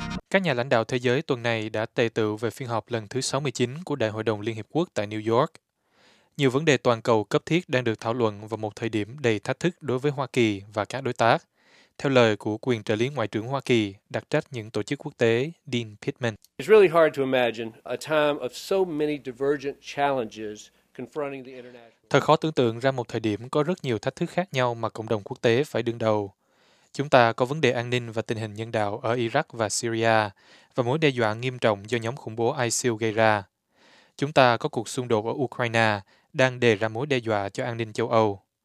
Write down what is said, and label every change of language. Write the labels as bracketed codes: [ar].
[vi] Các nhà lãnh đạo thế giới tuần này đã tề tựu về phiên họp lần thứ 69 của Đại hội đồng Liên Hiệp Quốc tại New York. Nhiều vấn đề toàn cầu cấp thiết đang được thảo luận vào một thời điểm đầy thách thức đối với Hoa Kỳ và các đối tác, theo lời của quyền trợ lý Ngoại trưởng Hoa Kỳ đặc trách những tổ chức quốc tế Dean Pittman. [en] It's really hard to imagine a time of so many divergent challenges confronting the international. [vi] Thật khó tưởng tượng ra một thời điểm có rất nhiều thách thức khác nhau mà cộng đồng quốc tế phải đương đầu. Chúng ta có vấn đề an ninh và tình hình nhân đạo ở Iraq và Syria và mối đe dọa nghiêm trọng do nhóm khủng bố ISIL gây ra. Chúng ta có cuộc xung đột ở Ukraine đang đề ra mối đe dọa cho an ninh châu Âu.